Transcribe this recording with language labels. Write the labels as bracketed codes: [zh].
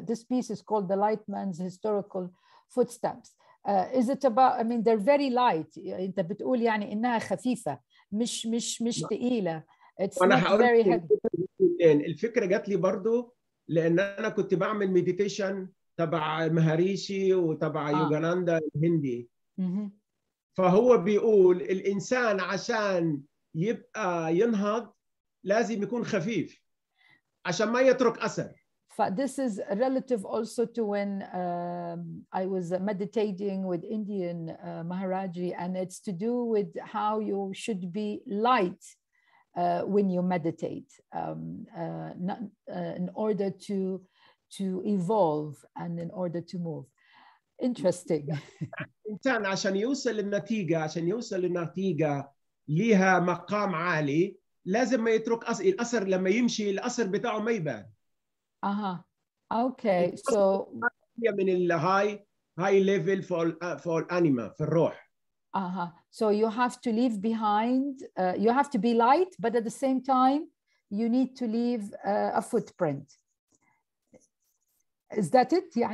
[en] This piece is called The Light Man's Historical Footsteps. Is it about, I mean, they're very light. [ar] أنت بتقول يعني إنها خفيفة، مش تقيلة. [en] It's not very heavy. [ar] الفكرة جات لي برضو لأن أنا كنت بعمل meditation تبع مهاريشي وتبع يوغاناندا الهندي. فهو بيقول الإنسان عشان يبقى ينهض لازم يكون خفيف عشان ما يترك أثر. [en] This is relative also to when I was meditating with Indian Maharaji, and it's to do with how you should be light when you meditate, in order to evolve and in order to move. Interesting. [ar] إنسان عشان يوصل للنتيجة عشان يوصل للنتيجة لها مقام عالي لازم ما يترك الأثر لما يمشي الأثر بتاعه ما يبان. [en] أها. Okay. So. [ar] من الهاي high level for anima في الروح. Uh-huh. [en] So you have to leave behind, you have to be light, but at the same time, you need to leave a footprint. Is that it?